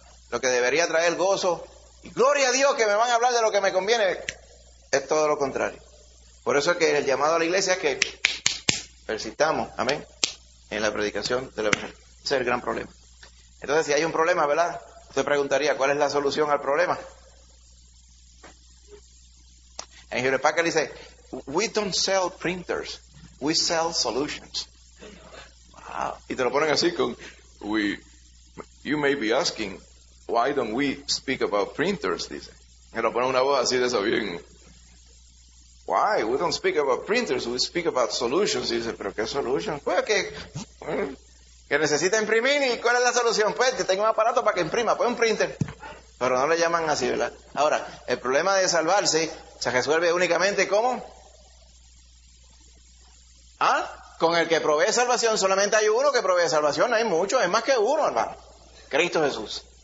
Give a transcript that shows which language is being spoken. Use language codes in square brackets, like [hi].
[es] Lo que debería traer gozo y gloria a Dios que me van a hablar de lo que me conviene, es todo lo contrario. Por eso es que el llamado a la iglesia es que persistamos, amén, en la predicación del Evangelio. Ese es el gran problema. Entonces, si hay un problema, ¿verdad? Usted preguntaría, ¿cuál es la solución al problema? [en] En Henry Packer [es] dice, [en] we don't sell printers, we sell solutions. Wow. [es] Y te lo ponen así con, [en] you may be asking, why don't we speak about printers, [es] dice. Y lo ponen una voz así de esa bien. [en] Why? We don't speak about printers, we speak about solutions. [es] Y dice, ¿pero qué solution? Pues que necesita imprimir. ¿Y cuál es la solución? Pues que tenga un aparato para que imprima, pues un printer. Pero no le llaman así, ¿verdad? Ahora, el problema de salvarse se resuelve únicamente ¿cómo? ¿Ah? Con el que provee salvación. Solamente hay uno que provee salvación, hay muchos, es más que uno, hermano. Cristo Jesús.